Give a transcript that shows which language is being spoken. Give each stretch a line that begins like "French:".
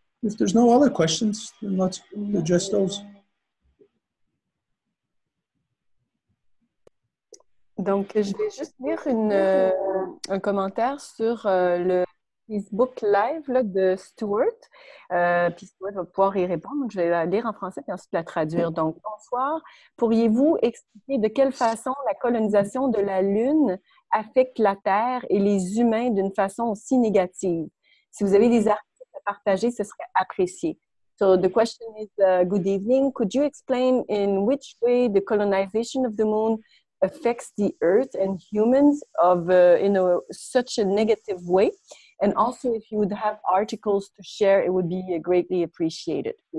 English: If there's no other questions, then let's address those.
French: Donc, je vais juste lire un commentaire sur le Facebook Live là, de Stuart. Puis Stuart va pouvoir y répondre. Je vais la lire en français et ensuite la traduire. Donc, bonsoir. Pourriez-vous expliquer de quelle façon la colonisation de la Lune affecte la Terre et les humains d'une façon aussi négative? Si vous avez des articles partager, ce serait apprécié.
English: So the question is, good evening. Could you explain in which way the colonization of the moon affects the Earth and humans of in a such a negative way? And also, if you would have articles to share, it would be greatly appreciated.